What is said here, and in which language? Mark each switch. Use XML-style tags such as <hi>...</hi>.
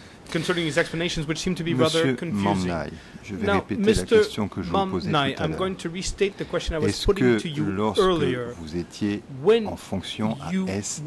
<en>Concerning his explanations, which seem to be rather confusing.</en> <fr>Monsieur Mam Nai, je vais répéter la question que je vous posais tout à l'heure.</fr> <en>I'm going to restate the question I was putting to you earlier.</en> <fr>Est-ce que vous étiez en fonction à S21,</fr>